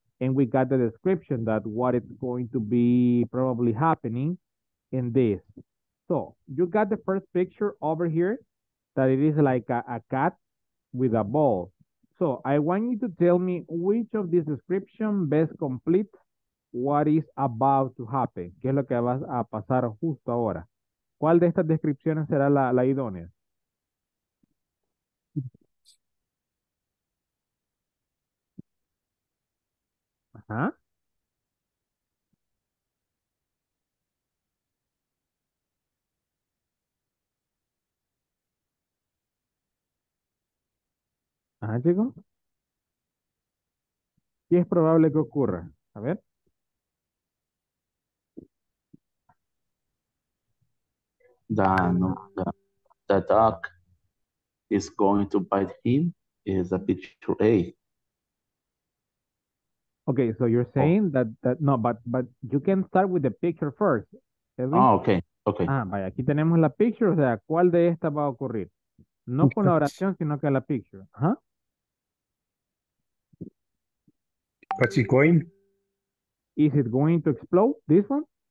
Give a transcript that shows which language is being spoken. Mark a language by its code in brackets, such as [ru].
[en] And we got the description that what is going to be probably happening in this. So, you got the first picture over here, that it is like a cat with a ball. So I want you to tell me which of this description best completes what is about to happen. [es] ¿Qué es lo que va a pasar justo ahora? ¿Cuál de estas descripciones será la idónea? Ajá. Ajá, chico. ¿Qué es probable que ocurra? A ver. [en] The dog is going to bite him is a picture A. Okay, so you're saying that no, but you can start with the picture first. Edwin. Oh, okay. [es] Ah, vaya, aquí tenemos la picture, o sea, ¿cuál de estas va a ocurrir? No con la oración, sino que la picture. Ajá. ¿Huh? [en] What's it going? Is it going to explode, this one?